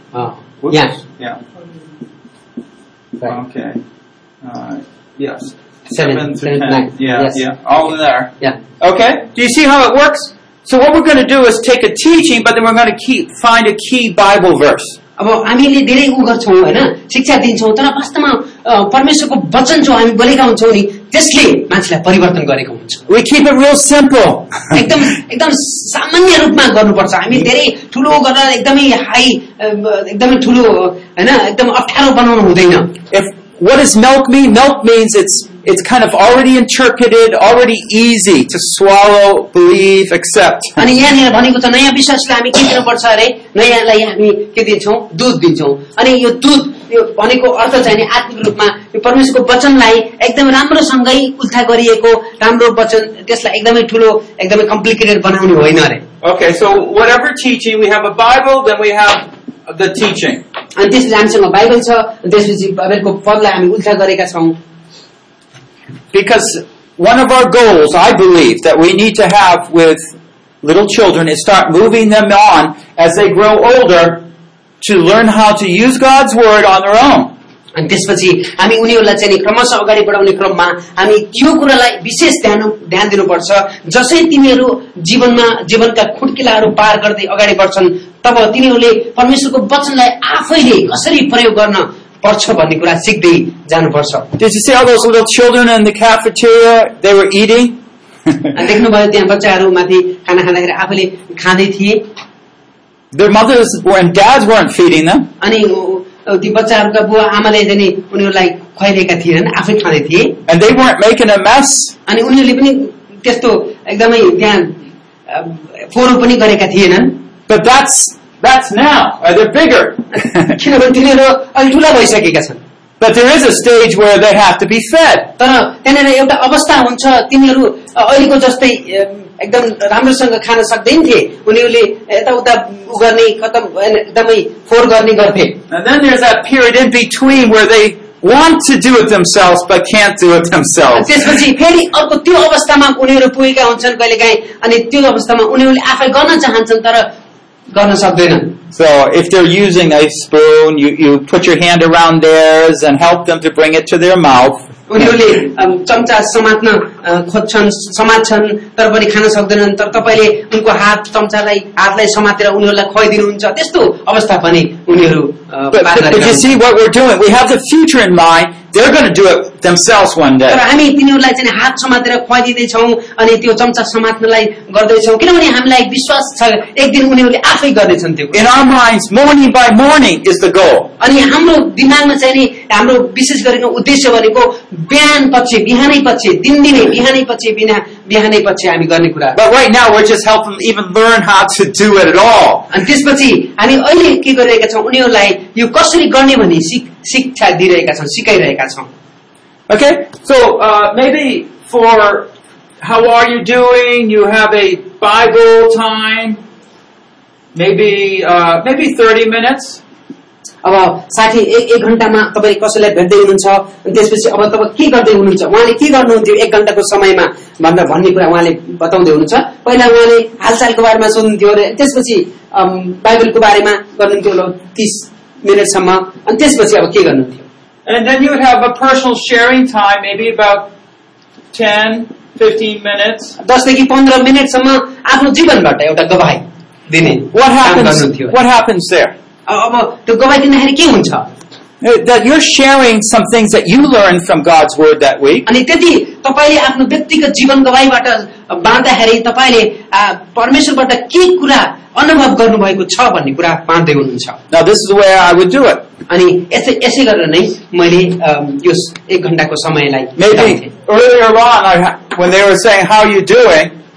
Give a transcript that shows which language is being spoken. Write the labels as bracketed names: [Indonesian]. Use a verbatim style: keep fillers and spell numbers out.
[English] Oh. Yeah. Yeah. Okay. Uh, yes. Seven, seven to ten. Yeah, yes. yeah. All in there. Yeah. Okay. Do you see how it works? So what we're going to do is take a teaching, but then we're going to keep find a key Bible verse. [Nepali] अब हामीले धेरै उ गर्छौँ हैन, शिक्षा दिन्छौँ, तर वास्तवमा परमेश्वरको वचन जो हामी बोलेका हुन्छौँ नि त्यसले मान्छेलाई परिवर्तन गरेको हुन्छ। [English] We keep it real simple. [Nepali] एकदम एकदम सामान्य रूपमा गर्नुपर्छ। हामी धेरै ठुलो गरेर एकदमै हाई एकदमै ठुलो हैन एकदम अप्ठ्यारो बनाउनु हुँदैन। [English] What does milk mean? Milk means it's it's kind of already interpreted, already easy to swallow, believe, accept. [Nepali] अनि यहाँनिर भनेको त नयाँ विश्वासलाई हामी के दिनुपर्छ अरे? नयाँलाई हामी के दिन्छौँ? दूध दिन्छौँ। अनि यो दूध यो भनेको अर्थ चाहिँ नि आत्मिक रूपमा यो परमेश्वरको वचनलाई एकदम राम्रोसँगै उल्था गरिएको राम्रो वचन त्यसलाई एकदमै ठुलो एकदमै कम्प्लिकेटेड बनाउने होइन अरे। [English] Okay, so whatever teaching we have a Bible, then we have the teaching. [Nepali] अनि त्यसपछि हामीसँग बाइबल छ, त्यसपछि बाइबलको पदलाई हामी उल्था गरेका छौँ। [English] Because one of our goals, I believe, that we need to have with little children is start moving them on as they grow older to learn how to use God's word on their own. [Nepali] अनि त्यसपछि हामी उनीहरूलाई चाहिँ क्रमशः अगाडि बढाउने क्रममा हामी त्यो कुरालाई विशेष ध्यान ध्यान दिनुपर्छ, जसै तिनीहरू जीवनमा जीवनका खुड्किलाहरू पार गर्दै अगाडि बढ्छन् तब तिनीहरूले परमेश्वरको वचनलाई आफैले कसरी प्रयोग गर्न पर्छ भन्ने कुरा सिक्दै जानुपर्छ। [English] Did you see all those little children in the cafeteria? They were eating. [Nepali] देख्नुभयो त्यहाँ बच्चाहरू माथि खाना खाँदाखेरि आफैले खाँदै थिए। [English] Their mothers and dads weren't feeding them. [Nepali] अनि ती बच्चाहरूका बुवा आमाले चाहिँ उनीहरूलाई खुवाइरहेका थिएनन्, आफै खाँदै थिए। [English] And they weren't making a mess. [Nepali] अनि उनीहरूले पनि त्यस्तो एकदमै त्यहाँ फोहोर पनि गरेका थिएनन्। [English] But that's that's now. Or they're bigger. [Nepali] किनभने तिनीहरू अलि ठुला भइसकेका छन्। [English] But there is a stage where they have to be fed. [Nepali] तर त्यहाँनिर एउटा अवस्था हुन्छ तिनीहरू अहिलेको जस्तै एकदम राम्रोसँग खान सक्दैन थिए, उनीहरूले यताउता गर्ने खतम एकदमै फोहोर गर्ने गर्थे। [English] And then there's that period in between where they want to do it themselves but can't do it themselves. [Nepali] त्यसपछि फेरि अर्को त्यो अवस्थामा उनीहरू पुगेका हुन्छन् कहिलेकाहीँ, अनि त्यो अवस्थामा उनीहरूले आफै गर्न चाहन्छन् तर गर्न सक्दैनन्। [English] So if they're using a spoon, you, you put your hand around theirs and help them to bring it to their mouth. [Nepali] उनीहरूले चम्चा समात्न खोज्छन् समात्छन् तर पनि खान सक्दैनन्, तर तपाईले उनको हात चम्चालाई हातलाई समातेर उनीहरूलाई खुवाइदिनुहुन्छ, त्यस्तो अवस्था पनि उनीहरू पार्न। [English] But you see what we're doing, we have the future in mind, they're going to do it themselves one day. [Nepali] तर हामी तिनीहरूलाई चाहिँ हात समातेर खुवाइदिँदै छौं अनि त्यो चम्चा समात्नलाई गर्दै छौं किनभने हामीलाई विश्वास छ एक दिन उनीहरूले आफै गर्नेछन् त्यो। [English] In our minds, morning by morning is the goal. [Nepali] अनि हाम्रो दिमागमा चाहिँ हाम्रो विशेष गरेको उद्देश्य भनेको बिहान पछि बिहानै पछि दिनदिनै बिहानै पछि बिना बिहानै पछि हामी गर्ने कुरा। [English] But right now we're just helping them even learn how to do it at all. [Nepali] अनि त्यसपछि हामी अहिले के गरिरहेका छौँ उनीहरूलाई यो कसरी गर्ने भन्ने शिक्षा दिइरहेका छौँ, सिकाइरहेका छौँ। [English] Okay, so uh, maybe for how are you doing? You have a Bible time, maybe uh, maybe thirty minutes. [Nepali] अब साठी एक एक घण्टामा तपाईँ कसैलाई भेट्दै हुनुहुन्छ अनि त्यसपछि अब तपाईँ के गर्दै हुनुहुन्छ, उहाँले के गर्नुहुन्थ्यो एक घण्टाको समयमा भनेर भन्ने कुरा उहाँले बताउँदै हुनुहुन्छ। पहिला उहाँले हालचालको बारेमा सोध्नुहुन्थ्यो अरे, त्यसपछि बाइबलको बारेमा गर्नुहुन्थ्यो होला तीस मिनटसम्म, अनि त्यसपछि अब के गर्नुहुन्थ्यो। [English] And then you would have a personal sharing time, maybe about ten, fifteen minutes. [Nepali] दसदेखि पन्ध्र मिनटसम्म आफ्नो जीवनबाट एउटा गवाही दिने [English] What happens? What happens there? [Nepali] अब त्यो गवाही दिँदाखेरि के हुन्छ [English] that you're sharing some things that you learned from God's word that week. [Nepali] अनि त्यति तपाईले आफ्नो व्यक्तिगत जीवन गवाहीबाट बाँड्दाखेरि तपाईले परमेश्वरबाट के कुरा अनुभव गर्नुभएको छ भन्ने कुरा बाँड्दै हुनुहुन्छ। [English] Now this is the way I would do it. [Nepali] अनि यसै यसै गरेर नै मैले यो एक घण्टाको समयलाई [English] Maybe earlier on I, when they were saying how are you doing,